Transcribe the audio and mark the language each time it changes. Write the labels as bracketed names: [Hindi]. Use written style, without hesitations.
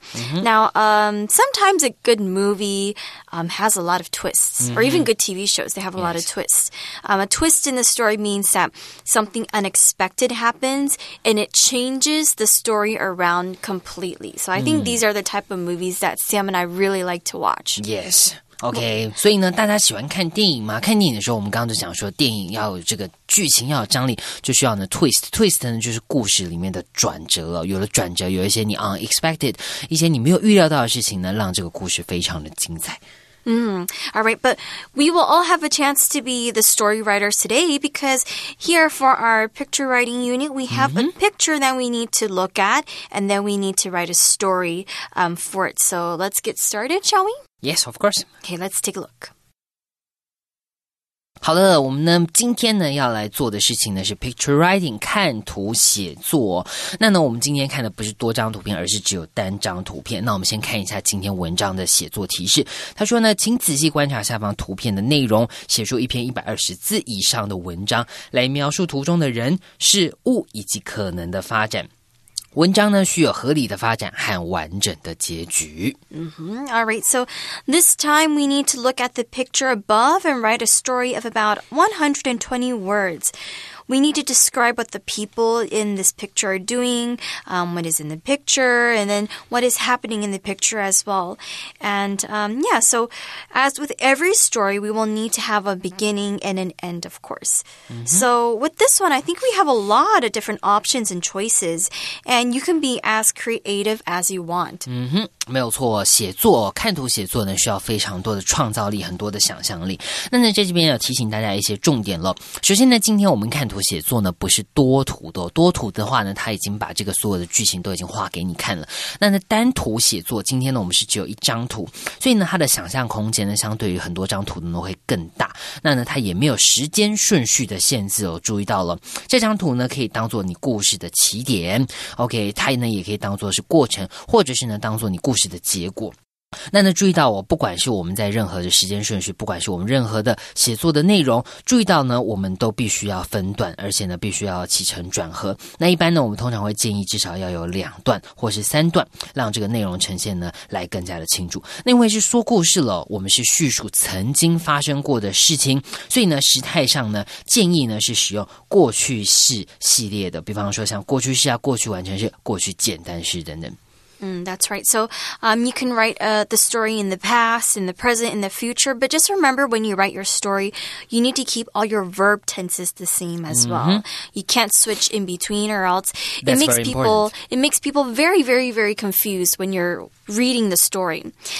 [English] Mm-hmm. Now, sometimes a good movie has a lot of twists, mm-hmm. or even good TV shows, they have a yes. lot of twists. A twist in the story means that something unexpected happens and it changes the story around completely. So I think these are the type of movies that Sam and I really like to watch. Yes. Okay. [Chinese] 所以呢，大家喜欢看电影吗？看电影的时候，我们刚刚就讲说，电影要有这个剧情要有张力，就需要呢 twist。 twist 呢就是故事里面的转折了。有了转折，有一些你 [English] unexpected， [Chinese] 一些你没有预料到的事情呢，让这个故事非常的精彩。 [English] All right, but we will all have a chance to be the story writers today because here for our picture writing unit, we have mm-hmm. a picture that we need to look at and then we need to write a story for it. So let's get started, shall we? Yes, of course. Okay, let's take a look. [Chinese] 好的，我们呢今天呢要来做的事情呢是 [English] picture writing， [Chinese] 看图写作。那呢我们今天看的不是多张图片，而是只有单张图片。那我们先看一下今天文章的写作提示。他说呢，请仔细观察下方图片的内容，写出一篇120字以上的文章，来描述图中的人、事物以及可能的发展。文章呢需要合理的发展和完整的结局。 Mm-hmm. [English] All right, so this time we need to look at the picture above and write a story of about 120 words. We need to describe what the people in this picture are doing, what is in the picture, and then what is happening in the picture as well. And so as with every story, we will need to have a beginning and an end, of course. Mm-hmm. So with this one, I think we have a lot of different options and choices, and you can be as creative as you want. Mm-hmm. [Chinese] 没有错，写作看图写作呢需要非常多的创造力，很多的想象力。那在这边要提醒大家一些重点了。首先呢，今天我们看图写作呢不是多图的，多图的话呢，他已经把这个所有的剧情都已经画给你看了。那在单图写作，今天呢我们是只有一张图，所以呢它的想象空间呢相对于很多张图的呢会更大。那呢它也没有时间顺序的限制哦，注意到了，这张图呢可以当做你故事的起点 ，OK， 它呢也可以当做是过程，或者是呢当做你故事。的结果。那呢注意到，不管是我们在任何的时间顺序，不管是我们任何的写作的内容，注意到呢我们都必须要分段，而且呢必须要起承转合。那一般呢我们通常会建议至少要有两段或是三段，让这个内容呈现呢来更加的清楚。那因为是说故事了，我们是叙述曾经发生过的事情，所以呢时态上呢建议呢是使用过去式系列的，比方说像过去式啊、过去完成式、过去简单式等等。 [English] That's right. So you can write the story in the past, in the present, in the future. But just remember when you write your story, you need to keep all your verb tenses the same as mm-hmm. well. You can't switch in between or else it makes people, it makes people very, very, very confused when you're reading the story.